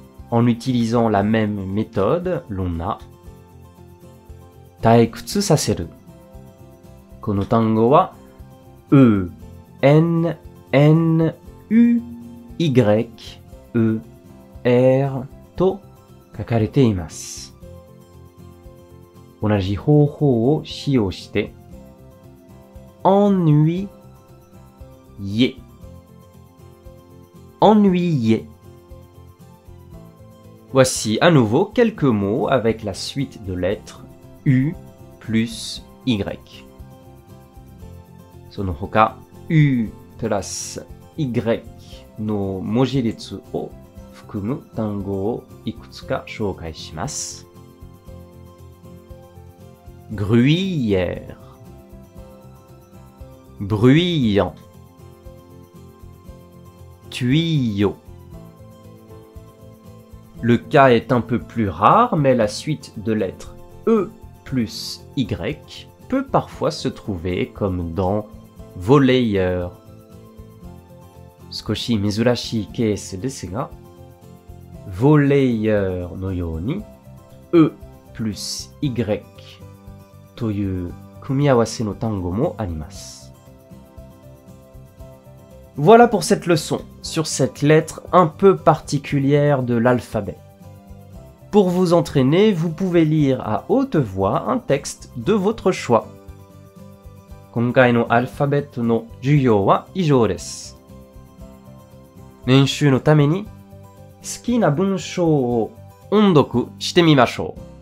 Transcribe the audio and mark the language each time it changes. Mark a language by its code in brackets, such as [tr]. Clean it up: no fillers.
[fr] En utilisant la même méthode, l'on a [ja] 退屈させる。この単語は、E, N, N, U, Y, E, R と書かれています。同じ方法を使用して、ennuyer. [fr] Voici à nouveau quelques mots avec la suite de lettres. U plus Y. [ja] その他、U プラス Y の文字列を含む単語をいくつか紹介します。 [fr] Gruyère, bruyant, tuyau. Le cas est un peu plus rare, mais la suite de lettres E. Plus Y peut parfois se trouver comme dans volleyeur. [ja] 少し珍しいケースですが、volleyeur のように E plus Y という組み合わせの単語もあります。 [fr] Voilà pour cette leçon sur cette lettre un peu particulière de l'alphabet. Pour vous entraîner, vous pouvez lire à haute voix un texte de votre choix. [ja] 今回のアルファベットの授業は以上です。練習のために好きな文章を音読してみましょう。